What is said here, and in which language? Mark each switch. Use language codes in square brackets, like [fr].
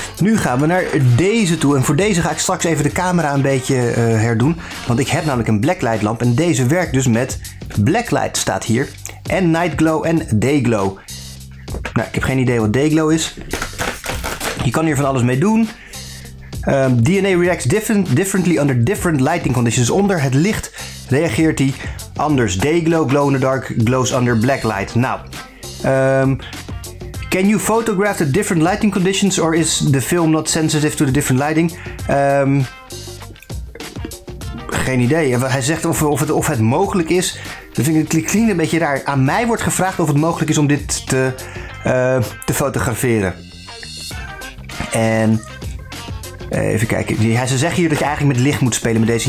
[nl] Nu gaan we naar deze toe. En voor deze ga ik straks even de camera een beetje herdoen. Want ik heb namelijk een blacklight lamp. En deze werkt dus met blacklight, staat hier. En night glow en day glow. Nou, ik heb geen idee wat Dayglow is. Je kan hier van alles mee doen. [en] DNA reacts differently under different lighting conditions. [nl] Onder het licht reageert hij anders. [en] Dayglow, glow in the dark, glows under black light. Nou, can you photograph the different lighting conditions or is the film not sensitive to the different lighting? [nl] Geen idee. Hij zegt of het mogelijk is. Dat vind ik klinkt een beetje raar. Aan mij wordt gevraagd of het mogelijk is om dit te fotograferen. En even kijken. Ze zeggen hier dat je eigenlijk met licht moet spelen met deze.